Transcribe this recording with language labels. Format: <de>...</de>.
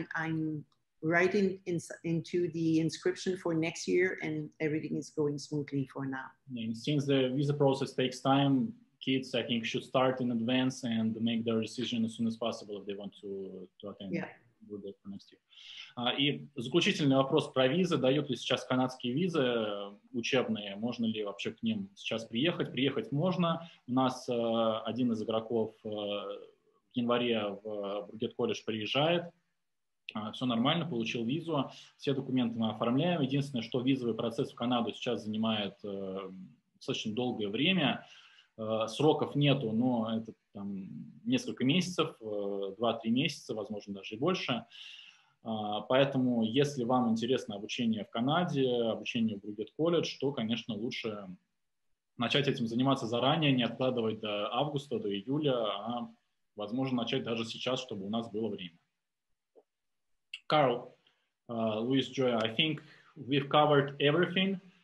<en>I'm writing into the inscription for next year, and everything is going smoothly for now. And since the visa process takes time, kids, I think, should start in advance and make their decision as soon as possible if they want to attend. Yeah.</en> <ru>будет</ru> <en>for next year.</en> <ru>И заключительный вопрос про визы. Дают ли сейчас канадские визы учебные? Можно ли вообще к ним сейчас приехать? Приехать можно. У нас один из игроков в январе в Бургет Колледж приезжает. Все нормально, получил визу, все документы мы оформляем. Единственное, что визовый процесс в Канаду сейчас занимает достаточно долгое время. Сроков нету, но это там несколько месяцев, 2-3 месяца, возможно, даже и больше. Поэтому, если вам интересно обучение в Канаде, обучение в Бругет Колледж, то, конечно, лучше начать этим заниматься заранее, не откладывать до августа, до июля, а, возможно, начать даже сейчас, чтобы у нас было время.</ru> <en>Carl, Luis, Joya, I think we've covered everything.</en>